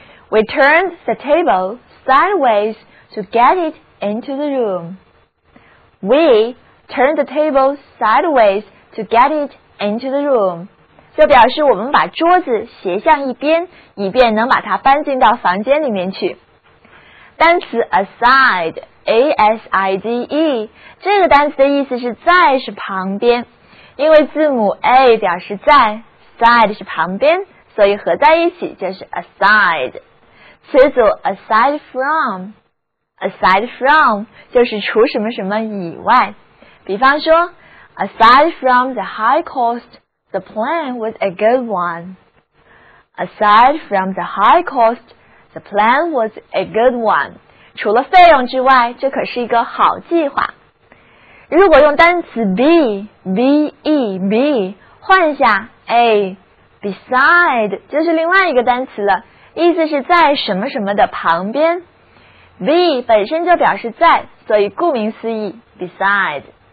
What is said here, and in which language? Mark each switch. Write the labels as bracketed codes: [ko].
[en] We turned the table sideways to get it into the room. We turn the table sideways to get it into the room. [zh] 就表示我们把桌子斜向一边，以便能把它搬进到房间里面去。单词 aside, A-S-I-D-E, 这个单词的意思是在是旁边。因为字母 A 表示在， side 是旁边，所以合在一起就是 aside。词组 aside from, aside from 就是除什么什么以外。比方说 [en] ,aside from the high cost, the plan was a good one. Aside from the high cost, the plan was a good one. [zh] 除了费用之外，这可是一个好计划。如果用单词 be,be,be,换下 a,beside, 就是另外一个单词了，意思是在什么什么的旁边。 be 本身就表示在，所以顾名思义 ,beside。